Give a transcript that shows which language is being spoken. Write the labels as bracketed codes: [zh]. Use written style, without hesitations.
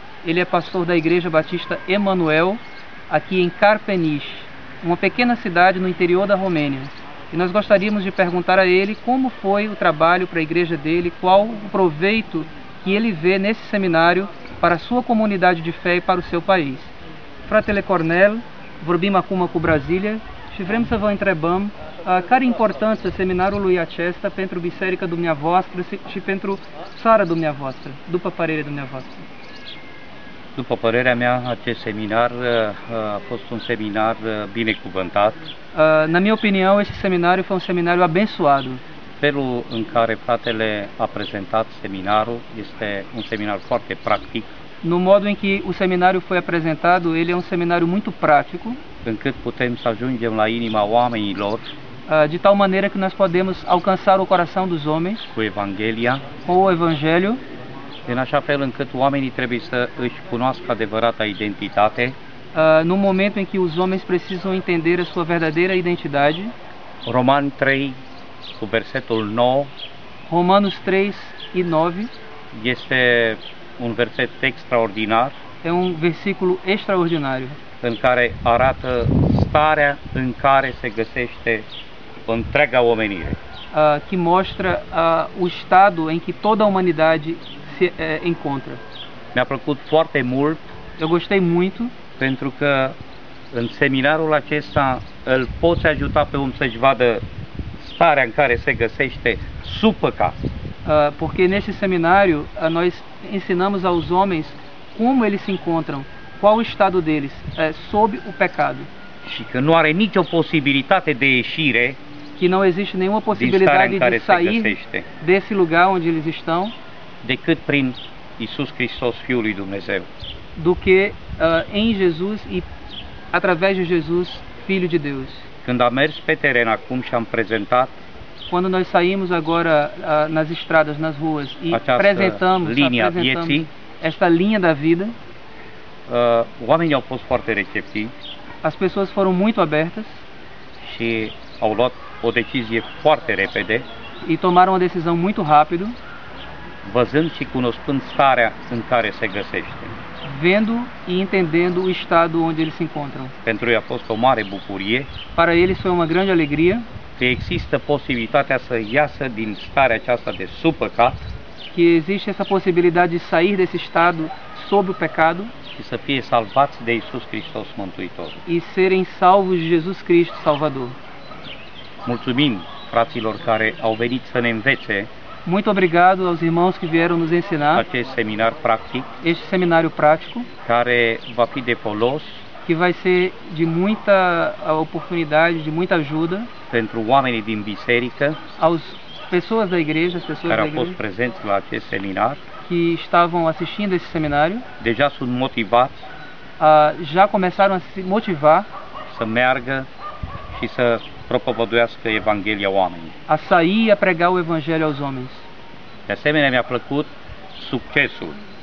[pt] Ele é pastor da Igreja Batista Emanuel, aqui em Carpeniș, uma pequena cidade no interior da Romênia. E nós gostaríamos de perguntar a ele como foi o trabalho para a igreja dele, qual o proveito que ele vê nesse seminário para a sua comunidade de fé e para o seu país. [ro] Fratele Cornel, vorbim acum cu Brasília, și vrem să vă întrebăm care importanță seminarului acesta pentru biserica dumneavoastră și pentru țara dumneavoastră, după părerea dumneavoastră. După părerea mea, acest seminar a fost un seminar binecuvântat. [pt] Na minha opinião, este seminário foi um seminário abençoado. [ro] Felul în care fratele a prezentat seminarul este un seminar foarte practic. [pt] No modo em que o seminário foi apresentado, ele é um seminário muito prático. [ro] Încât putem să ajungem la inima oamenilor. [pt] De tal maneira que nós podemos alcançar o coração dos homens. [ro] Cu Evanghelia. [pt] Com o Evangelho. [ro] În așa fel încât oamenii trebuie să își cunoască adevărata identitate. [pt] No momento em que os homens precisam entender a sua verdadeira identidade. [ro] Romani 3, cu versetul 9. [pt] Romanos 3 e 9. [ro] Este un verset extraordinar. [pt] É um versículo extraordinário. [ro] În care arată starea în care se găsește întreaga omenire. [pt] Que mostra o estado em que toda a humanidade se encontra. [ro] Mi-a plăcut foarte mult. [pt] Eu gostei muito. [ro] Pentru că în seminarul acesta îl poți ajuta pe om să-și vadă starea în care se găsește sub păcat. [pt] Porque nesse seminário nós ensinamos aos homens como eles se encontram, qual o estado deles, sob o pecado. [ro] Și că nu are nicio posibilitate de ieșire. [pt] Que não existe nenhuma possibilidade de sair desse lugar onde eles estão. [ro] Decât prin Iisus Hristos, Fiul lui Dumnezeu. [pt] Do que em Jesus e através de Jesus, Filho de Deus. [ro] Când am mers pe teren acum și am prezentat. [pt] Quando nós saímos agora nas estradas, nas ruas e apresentamos [ro] vieții, [pt] esta linha da vida. [ro] Oamenii au fost foarte receptivi. [pt] As pessoas foram muito abertas. [ro] Și au luat o decizie foarte repede. [pt] E tomaram uma decisão muito rápido. [ro] Văzând și cunoscând starea în care se găsește. [pt] Vendo e entendendo o estado onde eles se encontram. [ro] Pentru ei a fost o mare bucurie. [pt] Para eles foi uma grande alegria. [ro] Că există posibilitatea să iasă din starea aceasta de sub păcat. [pt] Que existe essa possibilidade de sair desse estado sob o pecado. [ro] Și să fie salvați de Iisus Hristos Mântuitor. [pt] E serem salvos de Jesus Cristo Salvador. [ro] Mulțumim fraților care au venit să ne învețe. [pt] Muito obrigado aos irmãos que vieram nos ensinar. [ro] Acest seminar practic. [pt] Este seminário prático. [ro] Care va fi de folos. [pt] Que vai ser de muita oportunidade, de muita ajuda. [ro] Pentru oamenii din biserică. [pt] Aos pessoas da igreja, as pessoas [ro] care [pt] da igreja. [ro] Care au fost prezenți la acest seminar. [pt] Que estavam assistindo esse seminário. [ro] Deja sunt motivați. [pt] Já começaram a se motivar. [ro] Să meargă și să propovăduiască Evanghelia oamenii. [pt] A sair e a pregar o Evangelho aos homens. [ro] De asemenea, mi-a plăcut succesul.